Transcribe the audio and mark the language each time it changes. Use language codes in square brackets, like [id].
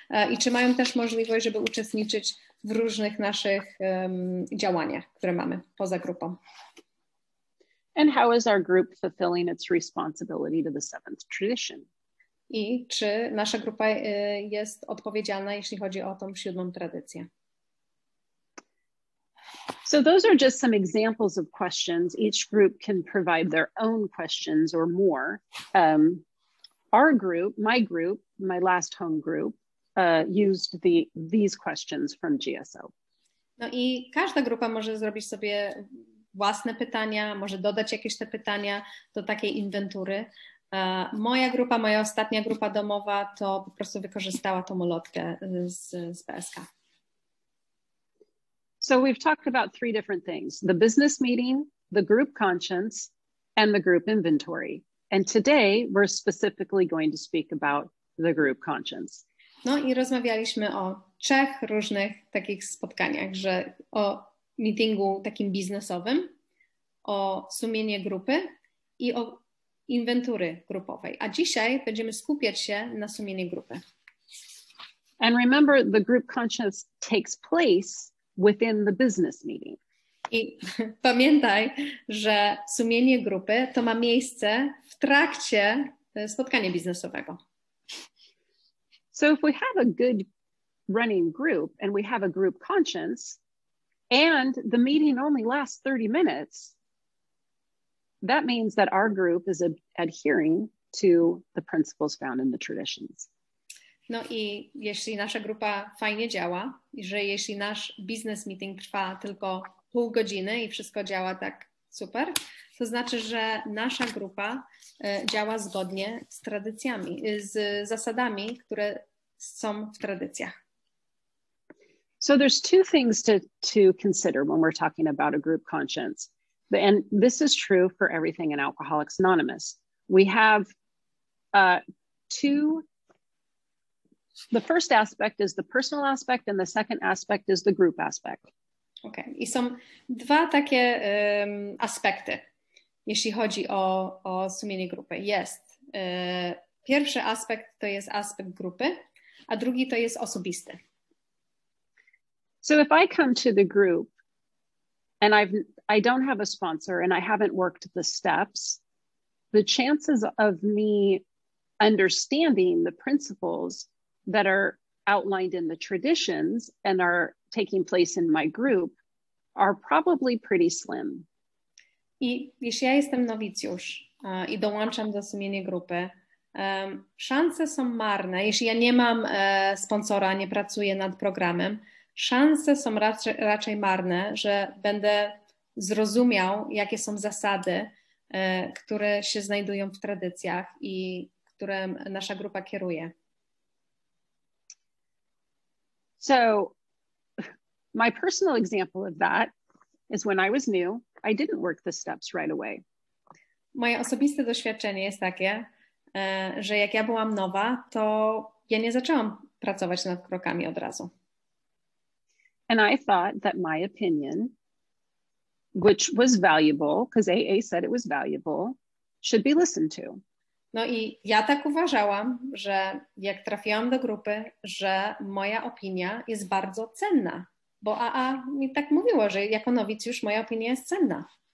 [pl] I czy mają też możliwość, żeby uczestniczyć w różnych naszych działaniach, które mamy poza grupą? [en] And how is our group fulfilling its responsibility to the seventh tradition? [pl] I czy nasza grupa jest odpowiedzialna, jeśli chodzi o tą siódmą tradycję? [en] So those are just some examples of questions. Each group can provide their own questions or more. Our group, my group, my last home group, used these questions from GSO. [pl] No i każda grupa może zrobić sobie własne pytania, może dodać jakieś te pytania do takiej inwentury. Moja grupa, moja ostatnia grupa domowa, to po prostu wykorzystała tą ulotkę z PSK. [en] So we've talked about three different things: the business meeting, the group conscience, and the group inventory. And today we're specifically going to speak about the group conscience. [pl] No i rozmawialiśmy o trzech różnych takich spotkaniach, że o meetingu takim biznesowym, o sumienie grupy i o inwentury grupowej. A dzisiaj będziemy skupiać się na sumieniu grupy. [en] And remember, the group conscience takes place within the business meeting. [pl] I pamiętaj, że sumienie grupy to ma miejsce w trakcie spotkania biznesowego. [en] So if we have a good running group and we have a group conscience and the meeting only lasts 30 minutes, that means that our group is adhering to the principles found in the traditions. [pl] No i jeśli nasza grupa fajnie działa, że jeśli nasz business meeting trwa tylko pół godziny i wszystko działa tak super, to znaczy, że nasza grupa działa zgodnie z tradycjami, z zasadami, które są w tradycjach. [en] So there's two things to consider when we're talking about a group conscience. And this is true for everything in Alcoholics Anonymous. We have the first aspect is the personal aspect and the second aspect is the group aspect. Okay. [pl] I są dwa takie aspekty, jeśli chodzi o sumienie grupy. Jest. Pierwszy aspekt to jest aspekt grupy, a drugi to jest osobisty. [en] So if I come to the group and I don't have a sponsor and I haven't worked the steps, the chances of me understanding the principles that are outlined in the traditions and are taking place in my group are probably pretty slim. [pl] I jeśli ja jestem nowicjusz i dołączam do sumienia grupy, szanse są marne. Jeśli ja nie mam sponsora, nie pracuję nad programem, szanse są raczej marne, że będę zrozumiał, jakie są zasady, które się znajdują w tradycjach i które nasza grupa kieruje. [en] So, my personal example of that is when I was new, I didn't work the steps right away. [pl] Moje osobiste doświadczenie jest takie, że jak ja byłam nowa, to ja nie zaczęłam pracować nad krokami od razu. [en] And I thought that my opinion, which was valuable, because AA said it was valuable, should be listened to. [pl] No i ja tak uważałam, że jak trafiłam do grupy, że moja opinia jest bardzo cenna, bo AA mi tak mówiło, że jako nowicjusz moja opinia jest cenna.